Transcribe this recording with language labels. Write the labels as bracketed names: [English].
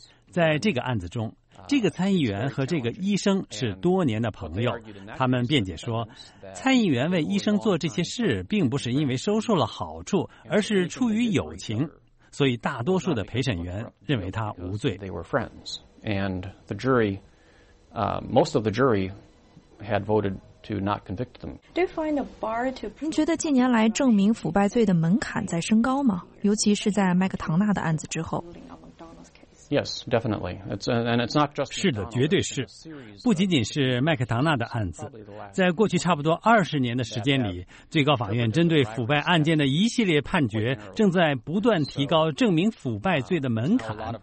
[Chinese] 在这个案子中，这个参议员和这个医生是多年的朋友，他们辩解说，参议员为医生做这些事并不是因为收受了好处，而是出于友情，所以大多数的陪审员认为他无罪。 [English] They were friends, and the jury, most of the jury had voted to not convict them. Do you find a bar to? [Chinese] 您觉得近年来证明腐败罪的门槛在升高吗？尤其是在麦克唐纳的案子之后。 [English] Yes, definitely. It's not just. [Chinese] 是的，绝对是。不仅仅是麦克唐纳的案子，在过去差不多20年的时间里，最高法院针对腐败案件的一系列判决，正在不断提高证明腐败罪的门槛。